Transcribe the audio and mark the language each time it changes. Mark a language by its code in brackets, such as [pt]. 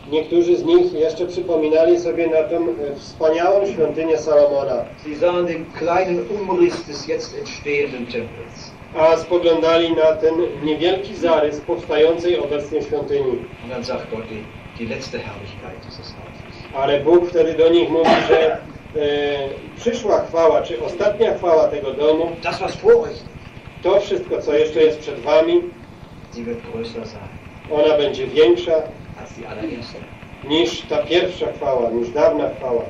[pl] Niektórzy z nich jeszcze przypominali sobie na tą wspaniałą świątynię Salomona. [de] Sie sahen den kleinen Umriss des jetzt entstehenden Tempels. [pl] A spoglądali na ten niewielki zarys powstającej obecnie świątyni. [de] Und dann sagt Gott die letzte Herrlichkeit dieses Hauses. [pl] Ale Bóg wtedy do nich mówi, że przyszła chwała, czy ostatnia chwała tego domu, [de] das was vor euch, [pl] to wszystko, co jeszcze jest przed wami, [de] sie wird größer sein. [pl] Ona będzie większa, [de] als die allererste. [pl] Niż ta pierwsza chwała, niż dawna chwała.